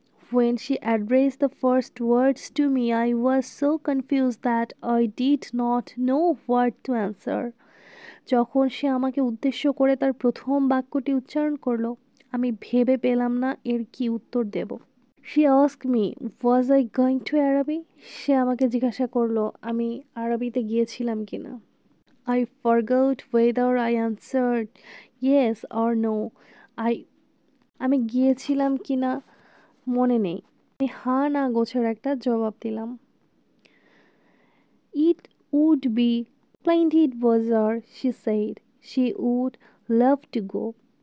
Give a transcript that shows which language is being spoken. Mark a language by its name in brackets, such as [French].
[English] When she addressed the first words to me, I was so confused that I did not know what to answer. [Bangla] যখন সে আমাকে উদ্দেশ্য করে তার প্রথম বাক্যটি উচ্চারণ করলো, আমি ভেবে পেলাম না এর কি উত্তর দেব। [English] She asked me, was I going to Araby? [Bangla] সে আমাকে জিজ্ঞাসা করলো আমি আরবিতে গিয়েছিলাম কি না। [English] I forgot whether I answered yes or no. [Bangla] আমি গিয়েছিলাম কি না মনে নেই, আমি হা না গোছের একটা জবাব দিলাম। [English] It would be splendid bazaar she said she would love to go.